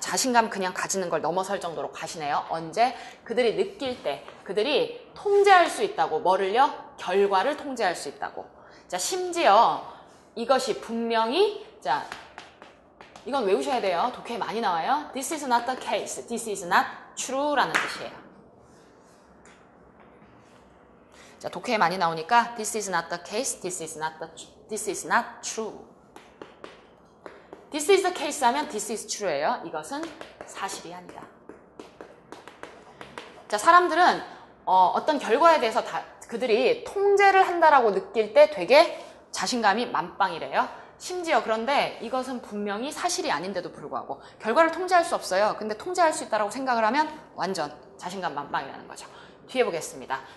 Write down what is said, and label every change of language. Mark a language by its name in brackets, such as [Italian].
[Korean] 자신감 그냥 가지는 걸 넘어설 정도로 과신해요. 언제? 그들이 느낄 때, 그들이 통제할 수 있다고. 뭐를요? 결과를 통제할 수 있다고. 자, 심지어 이것이 분명히, 자, 이건 외우셔야 돼요. 독해에 많이 나와요. [English] This is not the case. This is not true [Korean] 라는 뜻이에요. 자, 독해에 많이 나오니까 [English] This is not the case. This is not the true. This is not true. This is the case [Korean] 하면 [English] this is true예요. [Korean] 이것은 사실이 아니다. 자, 사람들은 어떤 결과에 대해서 그들이 통제를 한다라고 느낄 때 되게 자신감이 만빵이래요. 심지어 그런데 이것은 분명히 사실이 아닌데도 불구하고 결과를 통제할 수 없어요. 근데 통제할 수 있다라고 생각을 하면 완전 자신감 만빵이라는 거죠. 뒤에 보겠습니다.